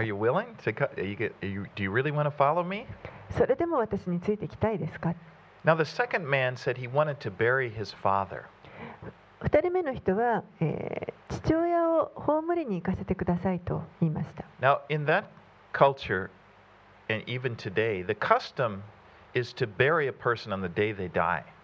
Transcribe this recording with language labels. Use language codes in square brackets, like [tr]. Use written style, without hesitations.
[en] Are you willing to do you really want to follow me? [ja] それでも私についてきたいですか? [en] Now the second man said he wanted to bury his father. [ja] 二人目の人は、父親を葬りに行かせてくださいと言いました。 [en] Now in that culture and even today, the custom is to bury a person on the day they die.